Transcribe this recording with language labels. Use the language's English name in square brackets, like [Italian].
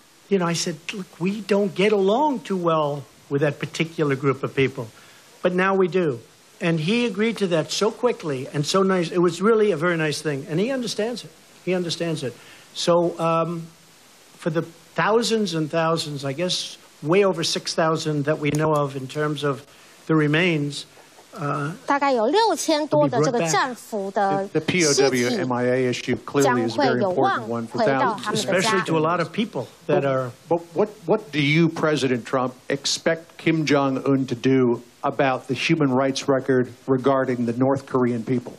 [English] you know, I said, look, we don't get along too well with that particular group of people. But now we do. And he agreed to that so quickly and so nice. It was really a very nice thing. And he understands it. He understands it. So for the thousands and thousands, I guess way over 6,000 that we know of in terms of the remains, [Chinese] 大概有6000多的这个战俘的尸体将会有望回到他们的家。 [English] The POW MIA issue clearly is a very important one for thousands, especially to a lot of people that are. But what do you, President Trump, expect Kim Jong-un to do about the human rights record regarding the North Korean people?